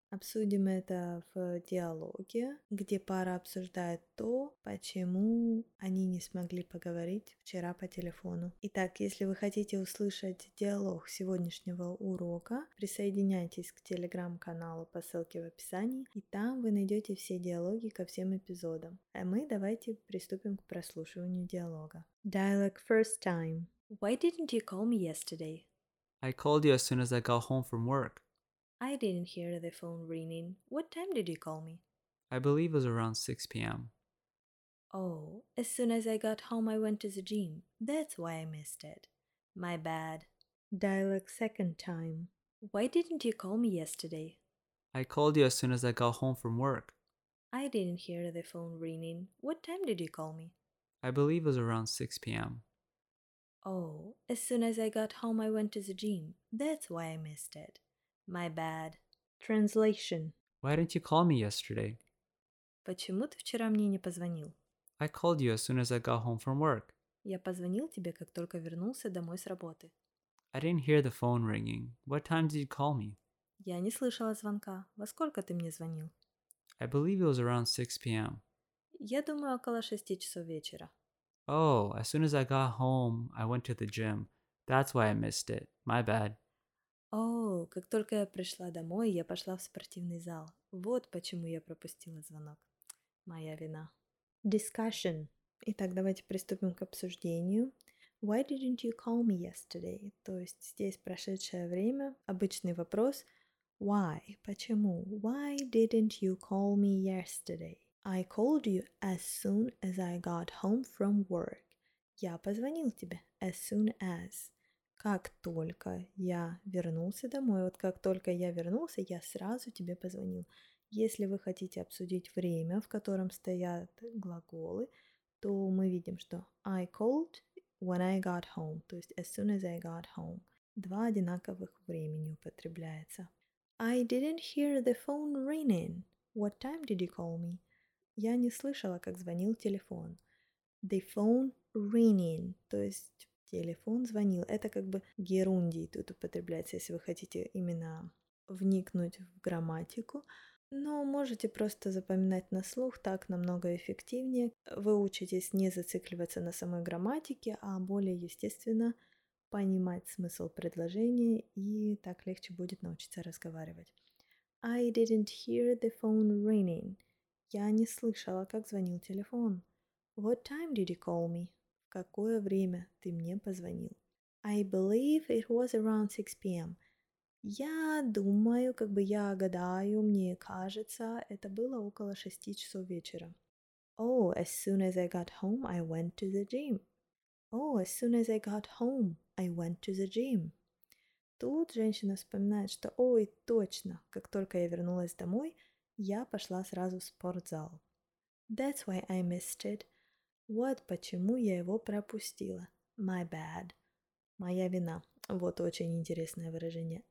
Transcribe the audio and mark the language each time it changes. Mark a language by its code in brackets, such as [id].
[ru] Обсудим это в диалоге, где пара обсуждает то, почему они не смогли поговорить вчера по телефону. Итак, если вы хотите услышать диалог сегодняшнего урока, присоединяйтесь к телеграм-каналу по ссылке в описании, и там вы найдете все диалоги ко всем эпизодам. А мы давайте приступим к прослушиванию диалога. [en] Dialogue first time. Why didn't you call me yesterday? I called you as soon as I got home from work. I didn't hear the phone ringing. What time did you call me? I believe it was around 6 p.m. Oh, as soon as I got home, I went to the gym. That's why I missed it. My bad. Dialogue second time. Why didn't you call me yesterday? I called you as soon as I got home from work. I didn't hear the phone ringing. What time did you call me? I believe it was around 6 p.m. Oh, as soon as I got home, I went to the gym. That's why I missed it. My bad. Translation. Why didn't you call me yesterday? [ru] Почему ты вчера мне не позвонил? [en] I called you as soon as I got home from work. [ru] Я позвонил тебе, как только вернулся домой с работы. [en] I didn't hear the phone ringing. What time did you call me? [ru] Я не слышала звонка. Во сколько ты мне звонил? [en] I believe it was around 6 p.m. [ru] Я думаю, около 6 часов вечера. [en] Oh, as soon as I got home, I went to the gym. That's why I missed it. My bad. [ru] О, как только я пришла домой, я пошла в спортивный зал. Вот почему я пропустила звонок. Моя вина. [en] Discussion. [ru] Итак, давайте приступим к обсуждению. [en] Why didn't you call me yesterday? [ru] То есть здесь прошедшее время, обычный вопрос. [en] Why? [ru] Почему? [en] Why didn't you call me yesterday? I called you as soon as I got home from work. [ru] Я позвонил тебе. [en] As soon as. [ru] Как только я вернулся домой, вот как только я вернулся, я сразу тебе позвонил. Если вы хотите обсудить время, в котором стоят глаголы, то мы видим, что [en] I called when I got home, [ru] то есть [en] as soon as I got home. [ru] Два одинаковых времени употребляется. [en] I didn't hear the phone ringing. What time did you call me? [ru] Я не слышала, как звонил телефон. [en] The phone ringing, [ru] то есть... Телефон звонил. Это как бы герундий тут употребляется, если вы хотите именно вникнуть в грамматику. Но можете просто запоминать на слух, так намного эффективнее. Вы учитесь не зацикливаться на самой грамматике, а более естественно понимать смысл предложения, и так легче будет научиться разговаривать. [en] I didn't hear the phone ringing. [ru] Я не слышала, как звонил телефон. [en] What time did you call me? [ru] Какое время ты мне позвонил? [en] I believe it was around 6 p.m. [ru] Я думаю, как бы я гадаю, мне кажется, это было около 6 часов вечера. [en] Oh, as soon as I got home, I went to the gym. Oh, as soon as I got home, I went to the gym. [ru] Тут женщина вспоминает, что ой, точно, как только я вернулась домой, я пошла сразу в спортзал. [en] That's why I missed it. [ru] Вот почему я его пропустила. [en] My bad. [ru] Моя вина. Вот очень интересное выражение.